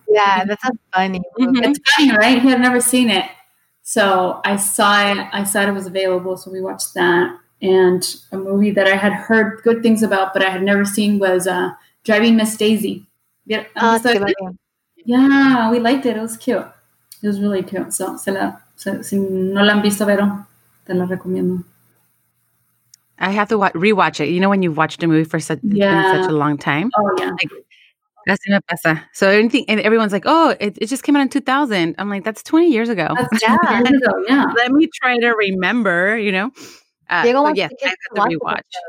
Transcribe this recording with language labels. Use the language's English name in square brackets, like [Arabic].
[English] Yeah, that's a funny movie. Mm-hmm. It's funny, right? He had never seen it. So I saw it. I saw it was available. So we watched that. And a movie that I had heard good things about, but I had never seen was Driving Miss Daisy. We liked it. It was cute. It was really cute. [Spanish] So si no la han visto, Vero, te la recomiendo. [English] I have to rewatch it. You know when you've watched a movie for such a long time? Oh, yeah. Like, That's [Spanish] una pesa. [English] So anything, and everyone's like, oh, it just came out in 2000. I'm like, that's 20 years ago. Yeah. Let me try to remember, you know. Diego wants to rewatch.